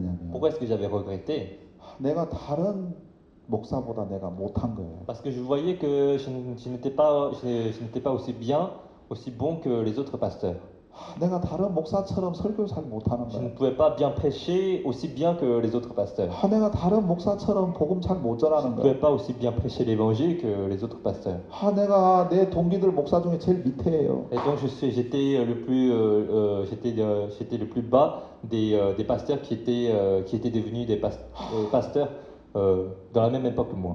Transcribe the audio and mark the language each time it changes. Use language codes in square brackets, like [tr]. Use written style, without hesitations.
[fr] Pourquoi est-ce que j'avais regretté? Parce que je voyais que je n'étais pas aussi bien, aussi bon que les autres pasteurs. [ko] 내가 다른 목사처럼 설교 잘 못하는 거야. [fr] Je ne pouvais pas bien prêcher aussi bien que les autres pasteurs. [ko] 아, 내가 다른 목사처럼 복음 잘 못 전하는 거야. [fr] Je ne pouvais pas aussi bien prêcher l'évangile que les autres pasteurs. [ko] 아, 내가 내 동기들 목사 중에 제일 밑에예요. [fr] Et donc j'étais le plus bas des pasteurs qui étaient devenus des pasteurs dans la même époque que moi.